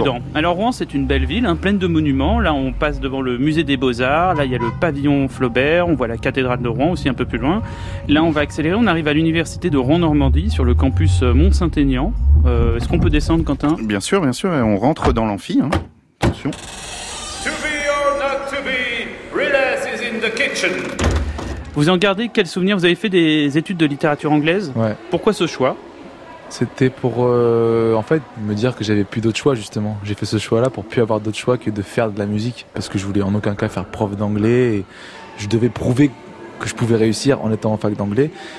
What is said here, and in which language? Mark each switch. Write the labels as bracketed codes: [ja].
[fr] On va être prudent. Alors, Rouen, c'est une belle ville, hein, pleine de monuments. Là, on passe devant le musée des Beaux-Arts. Là, il y a le pavillon Flaubert. On voit la cathédrale de Rouen aussi un peu plus loin. Là, on va accélérer. On arrive à l'université de Rouen-Normandie, sur le campus Mont-Saint-Aignan. Est-ce qu'on peut descendre, Quentin ? Bien sûr, bien sûr. Et on rentre dans l'amphi. Hein. Attention. [en] To be or not to be, Riles is in the kitchen. [fr] Vous en gardez quel souvenir ? Vous avez fait des études de littérature anglaise ? Ouais. Pourquoi ce choix ? C'était pour, en fait, me dire que j'avais plus d'autre choix, justement. J'ai fait ce choix-là pour plus avoir d'autre choix que de faire de la musique. Parce que je voulais en aucun cas faire prof d'anglais. Et je devais prouver que je pouvais réussir en étant en fac d'anglais.